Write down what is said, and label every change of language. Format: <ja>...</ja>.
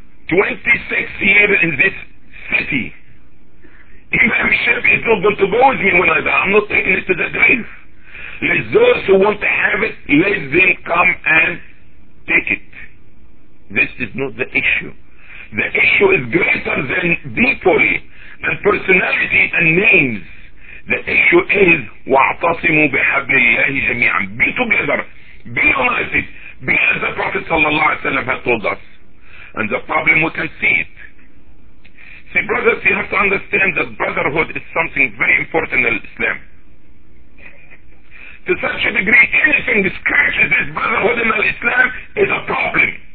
<en>26 years in this city. Imamship is not going to go with me when I die. I'm not taking it to the grave. Let those who want to have it, let them come and take it. This is not the issue. The issue is greater than deeply and personality and names. The issue is</en> <ar>وَاعْتَصِمُوا بِحَبْلِ اللَّهِ جَمِيعًا.</ar> <en>Be together, be united, be as the Prophet sallallahu alaihi wasallam had told us. And the problem, we can see it. See, brothers, you have to understand that brotherhood is something very important in Islam. To such a degree, anything that scratches this brotherhood in Islam is a problem.</en>